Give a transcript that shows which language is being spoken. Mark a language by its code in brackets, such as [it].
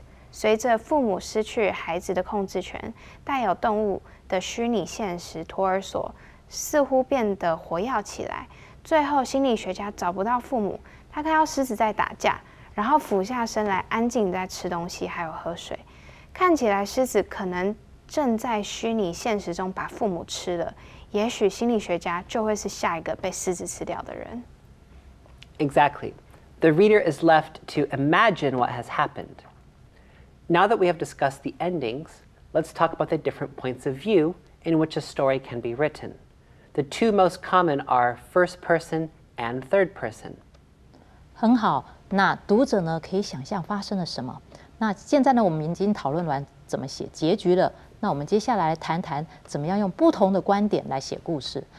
[zh] 随着父母失去孩子的控制权，带有动物的虚拟现实托儿所似乎变得活跃起来，最后心理学家找不到父母，他看到狮子在打架，然后俯下身来安静在吃东西还有喝水，看起来狮子可能正在虚拟现实中把父母吃了，也许心理学家就会是下一个被狮子吃掉的人。 [en] Exactly. The reader is left to imagine what has happened. Now that we have discussed the endings, let's talk about the different points of view in which a story can be written. The two most common are first person and third person. [zh] 很好，那读者呢可以想象发生了什么？那现在呢，我们已经讨论完怎么写结局了。那我们接下来谈谈怎么样用不同的观点来写故事。